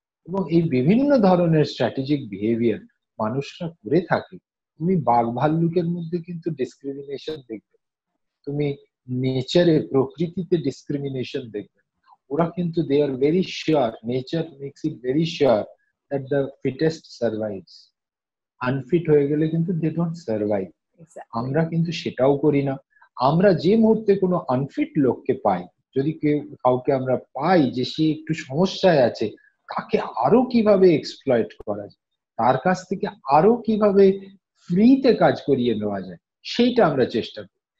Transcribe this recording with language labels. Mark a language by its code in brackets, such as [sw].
[bn] এবং এই বিভিন্ন ধরনের স্ট্র্যাটেজিক বিহেভিয়ার মানুষরা করে থাকে. তুমি বাঘ ভাল্লুকের মধ্যে কিন্তু ডিসক্রিমিনেশন দেখবে, তুমি নেচারে প্রকৃতিতে ডিসক্রিমিনেশন দেখবে. ওরা কিন্তু [en] They are very sure, nature makes it very sure that the fittest survives. Unfit [bn] হয়ে গেলে কিন্তু [en] they don't survive. [bn] আমরা কিন্তু সেটাও করি না. আমরা যে মুহূর্তে কোনো আনফিট লোককে পাই, যদি কেউ কাউকে আমরা পাই যে সে একটু সমস্যায় আছে, তাকে আরো কিভাবে এক্সপ্লয়েট করা যায়, তার কাছ থেকে আরো কিভাবে ফ্রিতে কাজ করিয়ে নেওয়া যায়, সেইটা আমরা চেষ্টা করি.